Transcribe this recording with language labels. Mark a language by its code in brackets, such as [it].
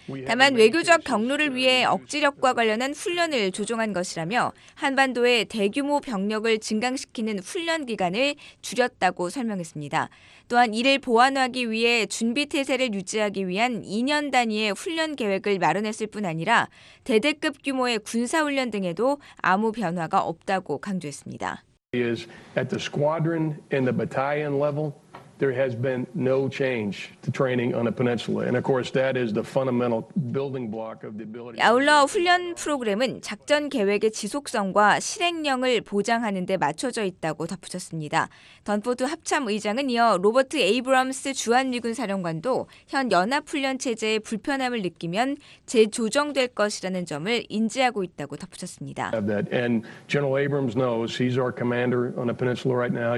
[ko] 다만 외교적 경로를 위해 억지력과 관련한 훈련을 조정한 것이라며 한반도의 대규모 병력을 증강시키는 훈련 기간을 줄였다고 설명했습니다. 또한 이를 보완하기 위해 준비태세를 유지하기 위한 2년 단위의 훈련 계획을 마련했을 뿐 아니라 대대급 규모의 군사훈련 등에도 아무 변화가 없다고 강조했습니다. [en] Is at the squadron and the battalion level. There has been no change to training on the peninsula, and of course, that is the fundamental building block of the ability. [ko] 아울러 훈련 프로그램은 작전 계획의 지속성과 실행령을 보장하는데 맞춰져 있다고 덧붙였습니다. 던포드 합참 의장은 이어 로버트 에이브럼스 주한 미군 사령관도 현 연합 훈련 체제의 불편함을 느끼면 재조정될 것이라는 점을 인지하고 있다고 덧붙였습니다. [en] And General Abrams knows he's our commander on the peninsula right now.